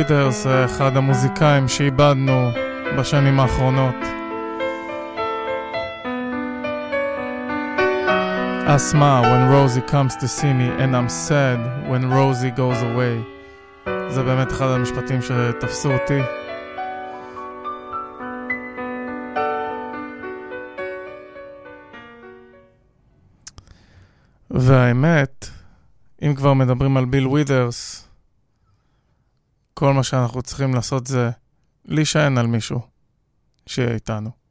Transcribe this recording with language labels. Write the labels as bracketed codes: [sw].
[he] זה אחד המוזיקאים שאיבדנו בשנים האחרונות. [en] אסמה, when Rosie comes to see me and I'm sad when Rosie goes away. [he] זה באמת אחד המשפטים שתפסו אותי. והאמת, אם כבר מדברים על ביל ווידרס, כל מה שאנחנו צריכים לעשות זה להישען על מישהו שיהיה איתנו.